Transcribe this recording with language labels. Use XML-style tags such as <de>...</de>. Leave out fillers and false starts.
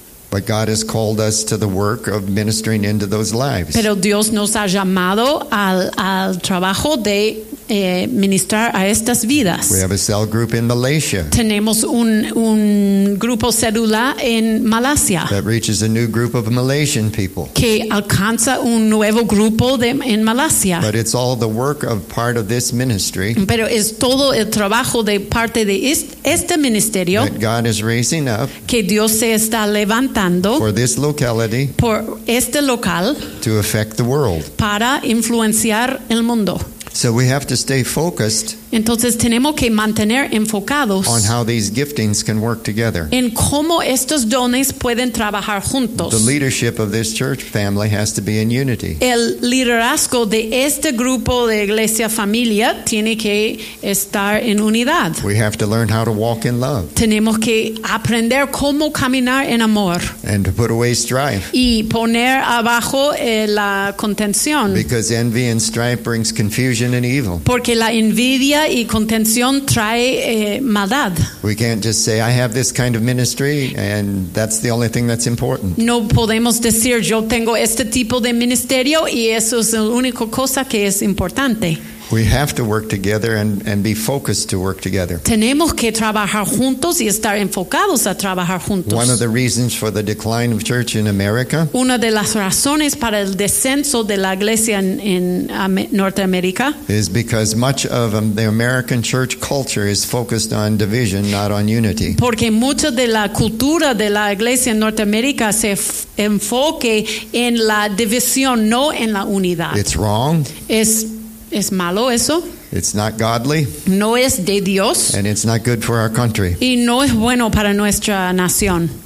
<en>But God has called us to the work of ministering into those lives.</en> <es>Pero Dios nos ha llamado al trabajo de ministrar a estas vidas.</es> <en>We have a cell group in Malaysia.</en> <es>Tenemos un grupo celular en Malasia.</es> <en>That reaches a new group of Malaysian people.</en> <es>Que alcanza un nuevo grupo en Malasia.</es> <en>But it's all the work of part of this ministry.</en> <es>Pero es todo el trabajo de parte de este ministerio.</es> <en>That God is raising up.</en> <es>Que Dios se está levantando.</es> <en>For this locality,</en> <es>por este local,</es> <en>to affect the world,</en> <es>para influenciar el mundo.</es> <en>So we have to stay focused.</en> <es>Entonces tenemos que mantener enfocados</es> <en>on how these giftings can work together.</en> <es>En cómo estos dones pueden trabajar juntos.</es> <en>The leadership of this church family has to be in unity.</en> <es>El liderazgo de este grupo de iglesia familia tiene que estar en unidad.</es> <en>We have to learn how to walk in love.</en> <es>Tenemos que aprender cómo caminar en amor.</es> <en>And to put away strife.</en> <es>Y poner abajo la contención.</es> <en>Because envy and strife brings confusion and evil.</en> <es>Porque la envidia y contención trae maldad.</es> <en>We can't just say I have this kind of ministry and that's the only thing that's important.</en> <es>No podemos decir yo tengo este tipo de ministerio y eso es la única cosa que es importante.</es> <en>We have to work together and be focused to work together.</en> <es>Tenemos que trabajar juntos y estar enfocados a trabajar juntos.</es> <en>One of the reasons for the decline of church in America.</en> <es>Una de las razones para el descenso de la iglesia en Norteamérica.</es> <en>Is because much of the American church culture is focused on division, not on unity.</en> <es>Porque mucha de la cultura de la iglesia en Norteamérica se enfoque en la división, no en la unidad.</es> <en>It's wrong.</en> <es>Es malo eso.</es> <en>It's not godly.</en> <es>No es de Dios.</es> <en>And it's not good for our country.</en> <es>Y no es bueno para nuestra nación.</es>